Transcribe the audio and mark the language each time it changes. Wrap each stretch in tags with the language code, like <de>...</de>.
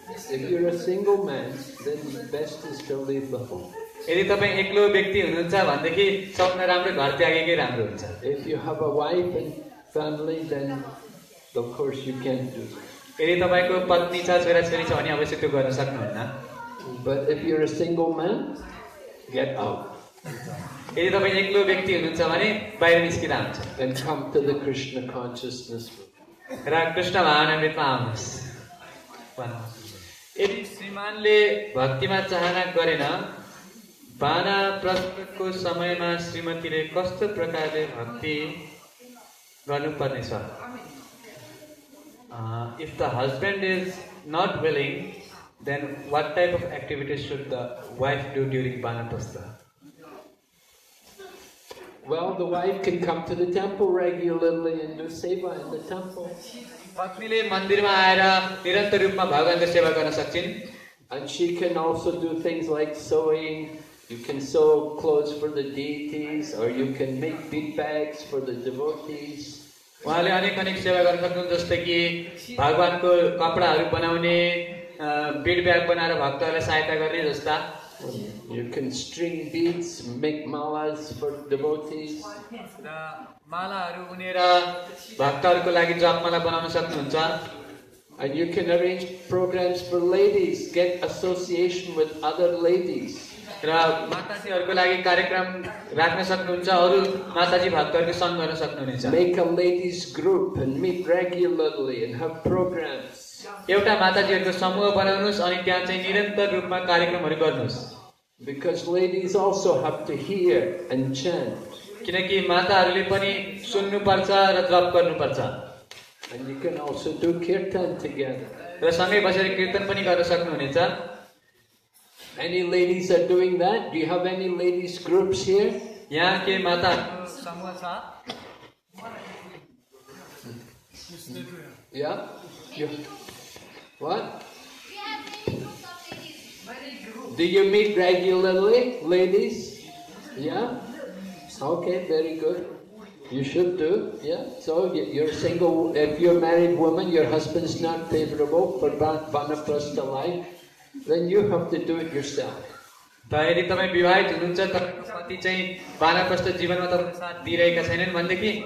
<en>If you're a single man, then best is to leave the home.</en> <ne>यदि तपाईँ एक्लो व्यक्ति हुनुहुन्छ भनेदेखि सपना राम्रो घर त्यागेकै राम्रो हुन्छ.</ne> <en>If you have a wife and family, then of course you can do it.</en> <ne>यदि तपाईँको पत्नी छ छोरा छोरी छ भने अवश्य त्यो गर्न सक्नुहुन्न</ne> <en>But if you're a single man, get out.</en> <ne>यदि तपाईँ एक्लो व्यक्ति हुनुहुन्छ भने बाहिर निस्किँदा हुन्छ</ne> <en>Then come to the Krishna consciousness.</en> <ne>र कृष्ण भावनामृतमा आउनुहोस् यदि श्रीमानले भक्तिमा चाहना गरेन बाना प्रस्तुतको समयमा श्रीमतीले कस्तो प्रकारले भक्ति गर्नुपर्नेछ</ne> <en>If the husband is not willing, then what type of activities should the wife do during Banaprastha? Well, the wife can come to the temple regularly and do seva in the temple.</en> <ne>पत्नीले मन्दिरमा आएर निरन्तर रूपमा भगवानको सेवा गर्न सक्छिन्.</ne> <en>And she can also do things like sewing. You can sew clothes for the deities, or you can make bead bags for the devotees.</en> <ne>उहाँले अनेक अनेक सेवा गर्न सक्नुहुन्छ जस्तै कि भगवान्को कपडाहरू बनाउने बिड ब्याग बनाएर भक्तहरूलाई सहायता गर्ने जस्ता</ne> <en>You can string beads, make malas for devotees.</en> <ne>मालाहरू उनेर भक्तहरूको लागि जपमाला बनाउन सक्नुहुन्छ</ne> <en>And you can arrange programs for ladies, get association with other ladies.</en> <ne>र माताजीहरूको लागि कार्यक्रम राख्न सक्नुहुन्छ अरू माताजी भक्तहरूको सङ्ग गर्न सक्नुहुनेछ</ne> <en>Make a ladies group and meet regularly and have programs.</en> <ne>एउटा माताजीहरूको समूह बनाउनुहोस् अनि त्यहाँ चाहिँ निरन्तर रूपमा कार्यक्रमहरू गर्नुहोस्</ne> <en>Because ladies also have to hear and chant.</en> <ne>किनकि माताहरूले पनि सुन्नुपर्छ र जप गर्नुपर्छ</ne> <en>And you can also do kirtan together.</en> <ne>र सँगै बसेर कीर्तन पनि गर्न सक्नुहुनेछ</ne> <en>Any ladies are doing that? Do you have any ladies groups here?</en> <ne>Yeah, ke mata samuha cha.</ne> <en>Yeah. You. What? Yeah, ladies group. Do you meet regularly, ladies? Yeah. Okay, very good. You should do. Yeah. So you're single if you're a married woman, your husband's not favorable for vanaprastha life. Then you have to do it yourself.</en> <ne>यदि तपाईँ विवाहित हुनुहुन्छ तपाईँको पति चाहिँ बानप्रस्थ जीवनमा तपाईँको साथ दिइरहेका छैनन् भनेदेखि</ne>